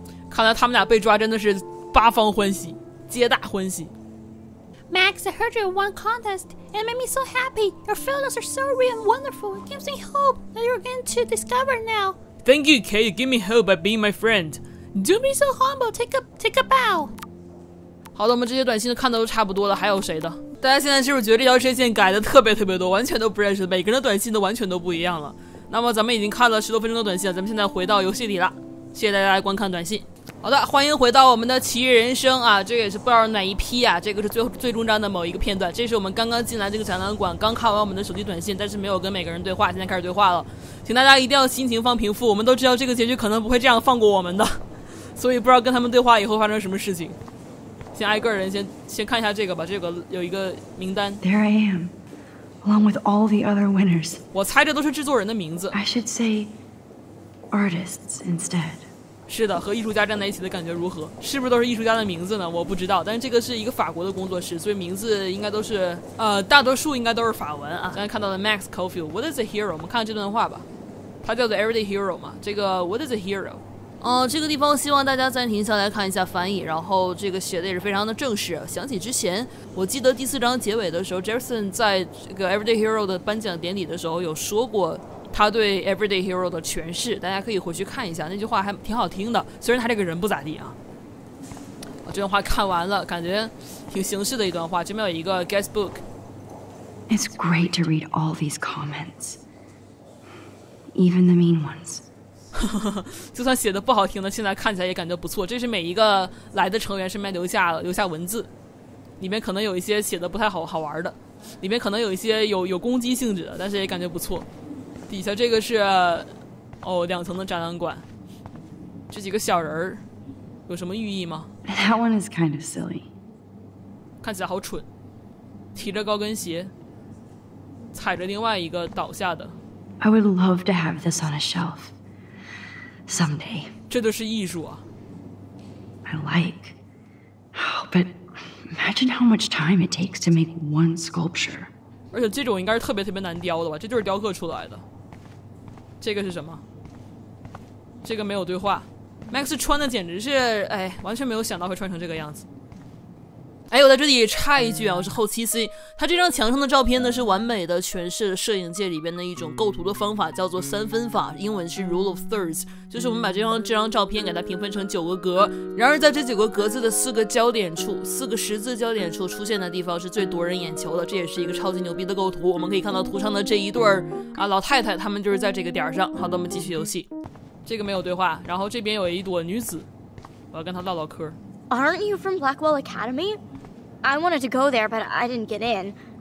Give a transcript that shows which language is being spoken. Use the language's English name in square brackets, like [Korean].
[Chinese] 看来他们俩被抓真的是八方欢喜，皆大欢喜。 [English] Max, I heard you won contest, and it made me so happy. Your photos are so real and wonderful. It gives me hope that you're going to discover now. Thank you, Kate. You give me hope by being my friend. Do me so humble. Take a bow. [Chinese] 好的，我们这些短信看的都差不多了，还有谁的？大家现在是不是觉得这条线改的特别特别多，完全都不认识，每个人的短信都完全都不一样了。那么咱们已经看了十多分钟的短信了，咱们现在回到游戏里了。谢谢大家来观看短信。好的，欢迎回到我们的奇异人生啊，这个也是不知道哪一批啊，这个是最终章的某一个片段。这是我们刚刚进来这个展览馆，刚看完我们的手机短信，但是没有跟每个人对话，现在开始对话了。请大家一定要心情放平复，我们都知道这个结局可能不会这样放过我们的，所以不知道跟他们对话以后发生什么事情。先挨个人先看一下这个吧，这个有一个名单。 [English] There I am, along with all the other winners. [Chinese] 我猜这都是制作人的名字。 [English] I should say artists instead. [Chinese] 是的，和艺术家站在一起的感觉如何？是不是都是艺术家的名字呢？我不知道，但是这个是一个法国的工作室，所以名字应该都是大多数应该都是法文啊。刚才看到的 Max Caulfield, [English] What is a hero? [Chinese] 我们看看这段话吧，他叫做 Everyday Hero 嘛。这个 [English] What is a hero? [Chinese] 这个地方希望大家暂停下来看一下翻译，然后这个写的也是非常的正式。想起之前，我记得第四章结尾的时候 ，Jefferson 在这个 Everyday Hero 的颁奖典礼的时候有说过。他对 everyday hero 的诠释，大家可以回去看一下，那句话还挺好听的，虽然他这个人不咋地啊。这段话看完了，感觉挺形式的一段话，这边有一个 guest book。 [English] It's great to read all these comments, even the mean ones. [Chinese] 就算写的不好听的，现在看起来也感觉不错，这是每一个来的成员身边留下文字，里面可能有一些写的不太好玩的，里面可能有一些有攻击性质的，但是也感觉不错。底下这个是两层的展览馆，这几个小人儿有什么寓意吗？ [English] That one is kind of silly. [Chinese] 看起来好蠢，提着高跟鞋踩着另外一个倒下的。 [English] I would love to have this on a shelf someday. [Chinese] 这就是艺术啊。 [English] I like, but imagine how much time it takes to make one sculpture. [Chinese] 而且这种应该是特别特别难雕的吧，这就是雕刻出来的。这个是什么？这个没有对话。 Max 穿的简直是，完全没有想到会穿成这个样子。我在这里插一句啊，我是后期 C， 他这张墙上的照片呢，是完美的诠释摄影界里边的一种构图的方法，叫做三分法，英文是 Rule of Thirds， 就是我们把这张照片给它评分成九个格，然而在这九个格子的四个焦点处，四个十字焦点处出现的地方是最夺人眼球的，这也是一个超级牛逼的构图。我们可以看到图上的这一对老太太，他们就是在这个点上。好的，我们继续游戏。这个没有对话，然后这边有一朵女子，我要跟她唠唠嗑。 [English] Aren't you from Blackwell Academy? I wanted to go there, but I didn't get in.